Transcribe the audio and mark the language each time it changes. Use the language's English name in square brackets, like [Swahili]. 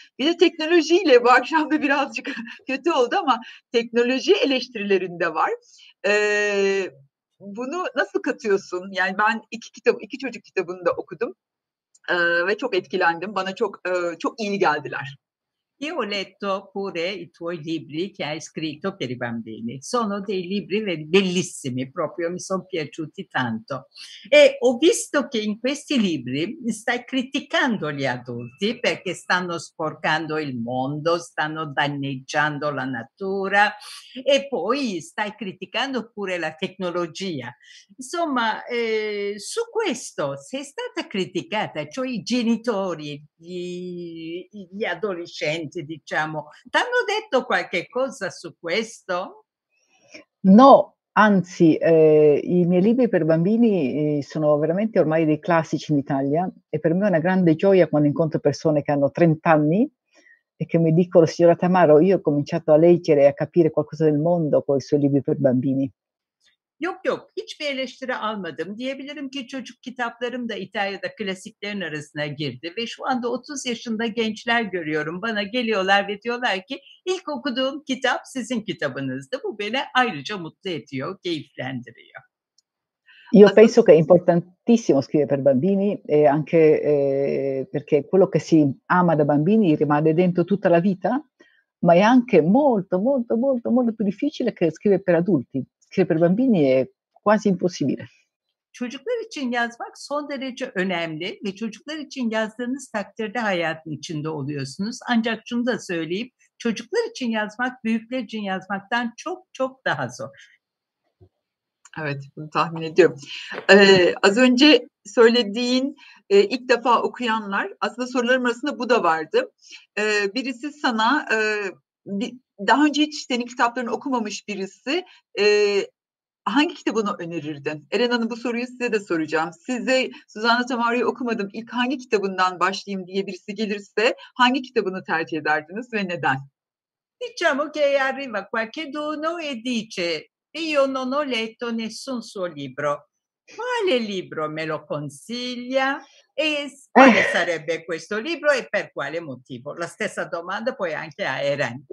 [Turkish] Bir de teknolojiyle bu akşam da birazcık kötü oldu ama teknoloji eleştirilerinde var. Bunu nasıl katıyorsun? Yani ben iki çocuk kitabını da okudum ve çok etkilendim. Bana çok çok iyi geldiler. [Italian] Io ho letto pure i tuoi libri che hai scritto per i bambini. Sono dei libri bellissimi, proprio mi sono piaciuti tanto. E ho visto che in questi libri stai criticando gli adulti perché stanno sporcando il mondo, stanno danneggiando la natura e poi stai criticando pure la tecnologia. Insomma, su questo sei stata criticata, cioè i genitori, gli adolescenti, diciamo, ti hanno detto qualche cosa su questo? No, anzi, i miei libri per bambini sono veramente ormai dei classici in Italia e per me è una grande gioia quando incontro persone che hanno 30 anni e che mi dicono: signora Tamaro, io ho cominciato a leggere e a capire qualcosa del mondo con i suoi libri per bambini. [Turkish] Yok yok, hiçbir eleştiri almadım. Diyebilirim ki çocuk kitaplarım da İtalya'da klasiklerin arasına girdi. Ve şu anda 30 yaşında gençler görüyorum. Bana geliyorlar ve diyorlar ki ilk okuduğum kitap sizin kitabınızdı. Bu beni ayrıca mutlu ediyor, keyiflendiriyor. [Italian] Io penso che è importantissimo scrivere per bambini e anche perché quello che si ama da bambini rimane dentro tutta la vita, ma è anche molto, molto, molto, molto più difficile che scrivere per adulti. Per bambini è quasi impossibile. [Turkish] Çocuklar için yazmak son derece önemli ve çocuklar için yazdığınız takdirde hayatın içinde oluyorsunuz. Ancak şunu da söyleyeyim, çocuklar için yazmak büyükler için yazmaktan çok çok daha zor. Evet, bunu tahmin ediyorum. Az önce söylediğin ilk defa okuyanlar, aslında sorularım arasında bu da vardı. Birisi sana daha önce hiç senin kitaplarını okumamış birisi hangi kitabını önerirdin? Eren Hanım, bu soruyu size de soracağım. Size Suzanna Tamaro'yu okumadım, ilk hangi kitabından başlayayım diye birisi gelirse hangi kitabını tercih ederdiniz ve neden? [Italian] Diciamo che arriva qualcuno e dice: io non ho letto nessun suo libro. Quale libro me lo consiglia? E quale sarebbe questo libro e per quale motivo? La stessa domanda poi anche a Eren.